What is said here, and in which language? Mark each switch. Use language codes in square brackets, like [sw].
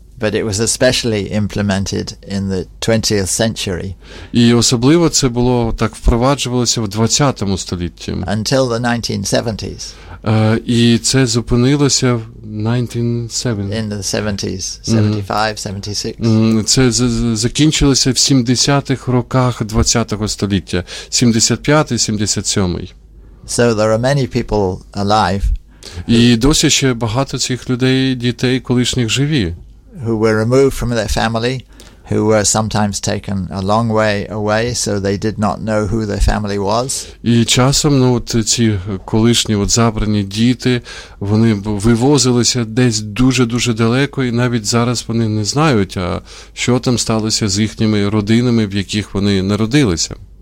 [en] But it was especially implemented in the 20th century. [uk] І особливо це було так впроваджувалося в 20-му столітті. [en] Until the 1970s. [uk] І це зупинилося в [en] 1970. In the 70s, 75, 76. [uk] Це закінчилося в 70-х роках 20-го століття, 75-й, 77-й. [en] So there are many people alive. [uk] І досі ще багато цих людей, дітей колишніх живі. [en] Who were removed from their family, who were sometimes taken a long way away, so they did not know who their family was. [uk] І часом, ну, от ці колишні от забрані діти, вони вивозилися десь дуже-дуже далеко, і навіть зараз вони не знають, а що там сталося з їхніми родинами, в яких вони народилися.